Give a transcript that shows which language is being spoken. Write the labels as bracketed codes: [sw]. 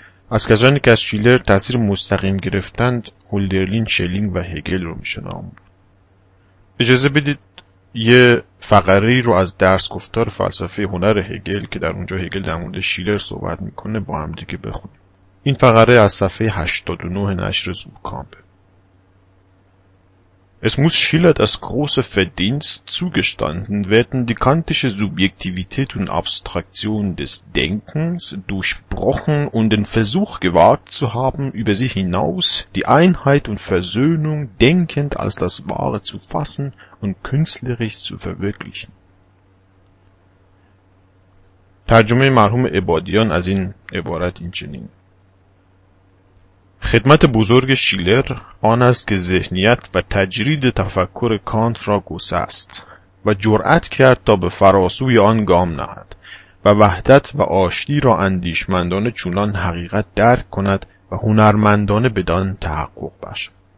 [fa] از کسانی که از شیلر تأثیر مستقیم گرفتند، هولدرلین، شلینگ و هگل رو میشناسم. اجازه بدید یه فقره ای رو از درس گفتار فلسفه هنر هگل که در اونجا هگل در مورد شیلر صحبت میکنه با هم دیگه بخونیم. این فقره از صفحه 89 نشر زوکامپ: [de] Es muss Schiller das große Verdienst zugestanden werden, die kantische Subjektivität und Abstraktion des Denkens durchbrochen und den Versuch gewagt zu haben, über sie hinaus die Einheit und Versöhnung denkend als das Wahre zu fassen und künstlerisch zu verwirklichen. [fa] ترجمه مرحوم عبادیان از این عبارت این چنین: خدمت بزرگ شیلر آن است که ذهنیت و تجرید تفکر کانت را گسست و جرأت کرد تا به فراسوی آن گام نهد و وحدت و آشتی را اندیشمندانه چونان حقیقت درک کند و هنرمندانه بدان تحقق بخشد.